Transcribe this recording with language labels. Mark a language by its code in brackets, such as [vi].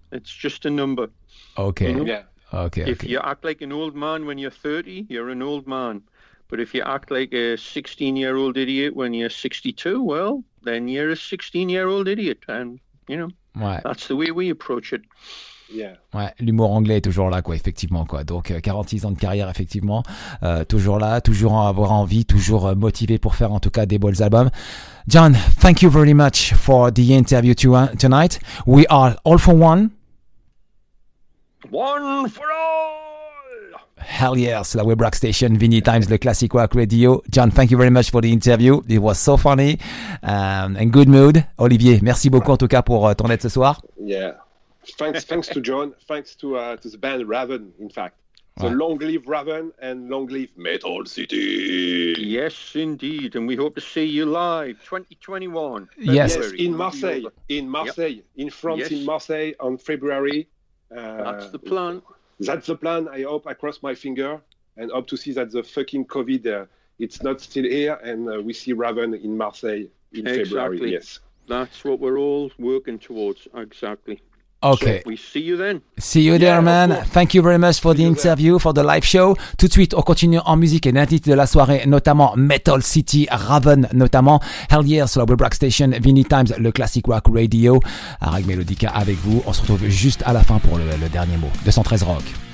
[en] It's just a number. Okay. Mm-hmm. Yeah. Okay. If you act like an old man when you're 30, you're an old man. But if you act like a 16-year-old idiot when you're 62, well, then you're a 16-year-old idiot. And, you know, that's the way we approach it. Yeah. [fr] Ouais, l'humour anglais est toujours là, quoi, effectivement, quoi. Donc, 46 ans de carrière, effectivement, toujours là, toujours avoir envie, toujours motivé pour faire, en tout cas, des bons albums. [en] John, thank you very much for the interview tonight. We are all for one. One for all! Hell yeah, [fr] c'est la Web Rock Station, Vinny Times, le Classic Rock Radio. [en] John, thank you very much for the interview. It was so funny and good mood. [fr] Olivier, merci beaucoup en tout cas pour ton aide ce soir. [en] Yeah, thanks to John, thanks to the band Raven, in fact. So ouais. Long live Raven and long live Metal City. Yes, indeed. And we hope to see you live 2021. Yes, in Marseille, yep. In Marseille on February. That's the plan. That's the plan. I hope I cross my finger and hope to see that the fucking COVID, it's not still here. And we see Raven in Marseille in February. Yes. That's what we're all working towards. Exactly. Okay. So we see you then. See you there, man. Thank you very much for the interview, for the live show. [fr] Tout de suite, on continue en musique et l'intitulé de la soirée, notamment Metal City, Raven, notamment. [en] Hell yeah, [fr] sur la Web Rock Station, Vinny Times, le Classic Rock Radio. Arag Melodica avec vous. On se retrouve juste à la fin pour le dernier mot. 213 Rock.